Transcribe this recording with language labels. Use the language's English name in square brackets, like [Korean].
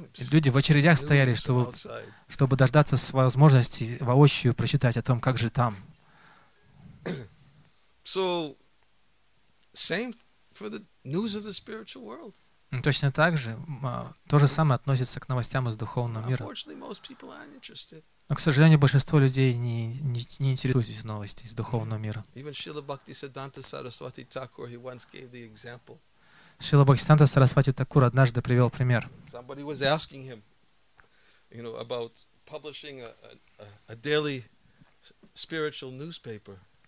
[Russian] Люди в очередях стояли, чтобы дождаться своей возможности воочию прочитать о том, как же там. [English] Same for the news of the spiritual world. [Russian] Точно так же, то же самое относится к новостям из духовного мира. [English] Unfortunately, most people aren't interested. [Russian] Но, к сожалению, большинство людей не интересуются новостями из духовного мира. [English] Even Srila Bhaktisiddhanta Saraswati Thakur, he once gave the example. [Russian] Srila Bhaktisiddhanta Saraswati Thakur однажды привел пример. [English] Somebody was asking him, you know, about publishing a daily spiritual newspaper.